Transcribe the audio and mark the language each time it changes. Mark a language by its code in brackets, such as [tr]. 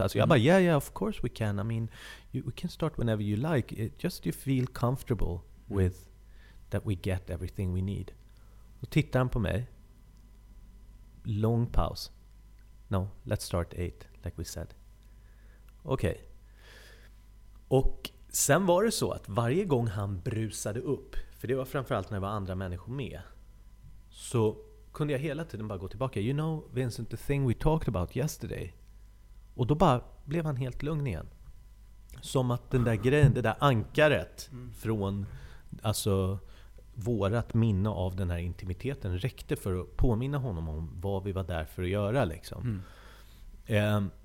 [sv] Alltså, jag bara, [en] yeah, of course we can. I mean, we can start whenever you like. It, just you feel comfortable with that we get everything we need. [sv] Då tittar han på mig. [en] Long pause. No, let's start 8, like we said. Okej. Okay. [sv] Och sen var det så att varje gång han brusade upp, för det var framförallt när det var andra människor med, så kunde jag hela tiden bara gå tillbaka. [en] You know, Vincent, the thing we talked about yesterday. [sv] Och då bara blev han helt lugn igen. Som att den där grejen, det där ankaret från alltså vårat minne av den här intimiteten räckte för att påminna honom om vad vi var där för att göra. Liksom. Mm.